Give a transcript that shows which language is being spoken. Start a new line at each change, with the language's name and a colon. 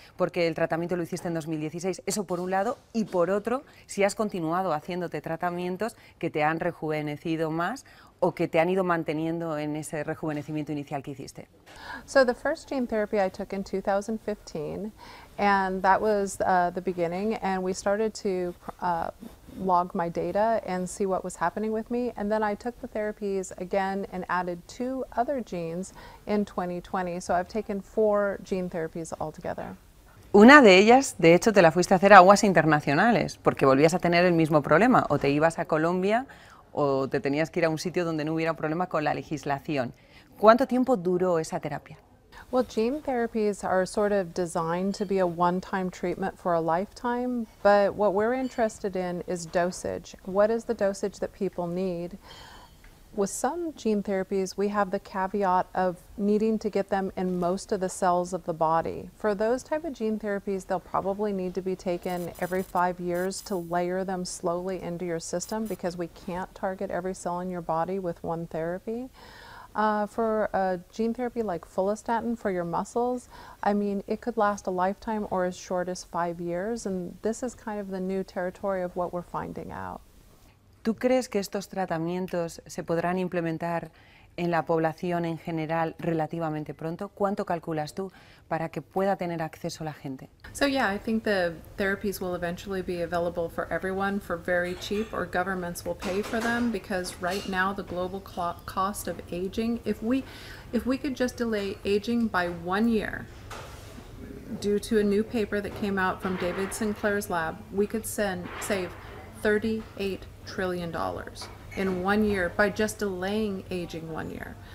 Spanish: Porque el tratamiento lo hiciste en 2016, eso por un lado, y por otro, si has continuado haciéndote tratamientos que te han rejuvenecido más o que te han ido manteniendo en ese rejuvenecimiento inicial que hiciste.
English: So the first gene therapy I took in 2015, and that was the beginning, and we started to log my data and see what was happening with me, and then I took the therapies again and added two other genes in 2020. So I've taken four gene therapies altogether.
Spanish: Una de ellas, de hecho, te la fuiste a hacer a aguas internacionales porque volvías a tener el mismo problema, o te ibas a Colombia o te tenías que ir a un sitio donde no hubiera problema con la legislación. ¿Cuánto tiempo duró esa terapia?
English: Well, gene therapies are sort of designed to be a one-time treatment for a lifetime, but what we're interested in is dosage. What is the dosage that people need? With some gene therapies, we have the caveat of needing to get them in most of the cells of the body. For those type of gene therapies, they'll probably need to be taken every 5 years to layer them slowly into your system because we can't target every cell in your body with one therapy. For a gene therapy like follistatin for your muscles, I mean, it could last a lifetime or as short as 5 years, and this is kind of the new territory of what we're finding out.
Spanish: ¿Tú crees que estos tratamientos se podrán implementar en la población en general relativamente pronto? ¿Cuánto calculas tú para que pueda tener acceso la gente?
English: So yeah, I think the therapies will eventually be available for everyone for very cheap, or governments will pay for them, because right now the global cost of aging, if we could just delay aging by 1 year, due to a new paper that came out from David Sinclair's lab, we could save $38 trillion in 1 year by just delaying aging 1 year.